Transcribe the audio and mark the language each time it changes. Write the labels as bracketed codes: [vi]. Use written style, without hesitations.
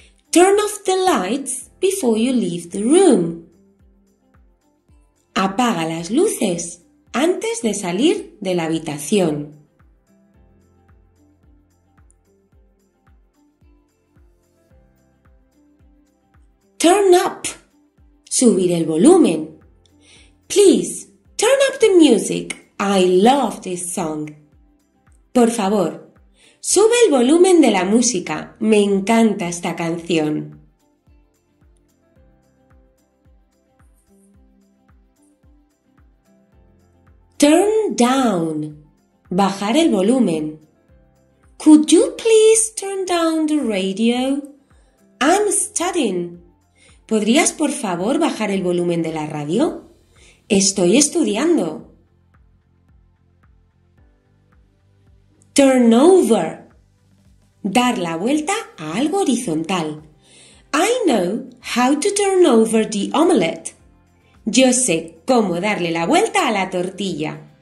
[en] Turn off the lights before you leave the room. [es] Apaga las luces antes de salir de la habitación. [en] Turn up. [es] Subir el volumen. [en] Please, turn up the music. I love this song. [es] Por favor, sube el volumen de la música. Me encanta esta canción. [en] Turn down. [es] Bajar el volumen. [en] Could you please turn down the radio? I'm studying. [es] ¿Podrías, por favor, bajar el volumen de la radio? Estoy estudiando. [en] Turn over. [es] Dar la vuelta a algo horizontal. [en] I know how to turn over the omelette. [es] Yo sé cómo darle la vuelta a la tortilla.